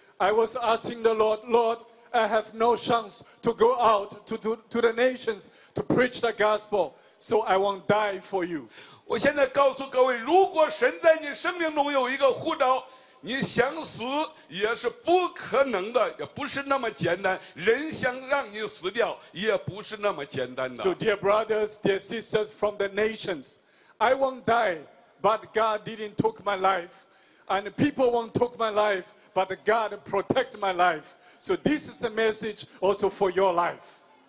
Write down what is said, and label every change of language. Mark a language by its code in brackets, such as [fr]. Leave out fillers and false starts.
[en] I was asking the Lord, Lord, I have no chance to go out to the nations to preach the gospel, so I won't die for you. [zh] 我现在告诉各位，如果神在你生命中有一个呼召，你想死也是不可能的，也不是那么简单。人想让你死掉，也不是那么简单的。 [en] So dear brothers, dear sisters from the nations, I won't die. But God didn't take my life, and people won't take my life, but God protect my life. So this is a message also for your life.